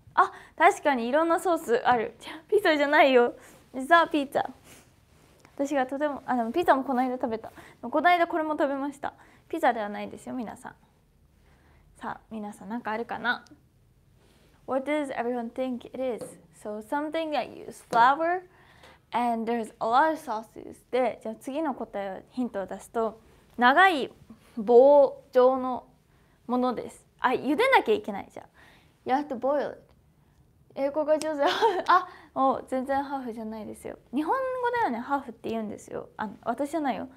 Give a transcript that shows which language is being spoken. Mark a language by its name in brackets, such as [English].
[Japanese] あ、確かにいろんなソースある。じゃあピザじゃないよ。実はピザ。私がとても、あ、でもピザもこの間食べた。この間これも食べました。ピザではないですよ、皆さん。さあ、皆さん何かあるかな？ [English] What does everyone think it is? So something that use flour and there's a lot of sauces. [Japanese] で、じゃあ次の答え、ヒントを出すと、長い棒状のものです。あ、茹でなきゃいけないじゃん。 [English] You have to boil it. [Japanese] 英語が上手。あ、お、全然ハーフじゃないですよ。日本語ではね、ハーフって言うんですよ。あの、私じゃないよ。